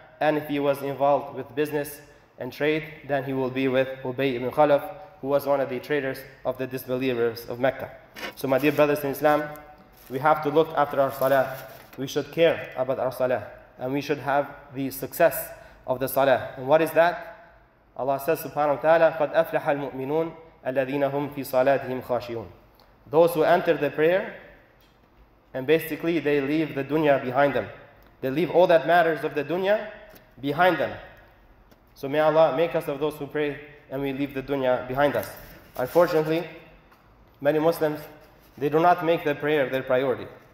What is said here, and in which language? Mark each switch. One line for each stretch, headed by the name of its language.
English: And if he was involved with business and trade, then he will be with Ubay ibn Khalaf, who was one of the traders of the disbelievers of Mecca. So my dear brothers in Islam, we have to look after our salah. We should care about our salah. And we should have the success of the salah. And what is that? Allah says subhanahu wa ta'ala,
Arabic: قَدْ أَفْلَحَ الْمُؤْمِنُونَ الَّذِينَ هُمْ فِي صَلَاتِهِمْ خَاشِيُونَ.
English: Those who enter the prayer, and basically they leave the dunya behind them. They leave all that matters of the dunya behind them. So may Allah make us of those who pray and we leave the dunya behind us. Unfortunately, many Muslims, they do not make the prayer their priority.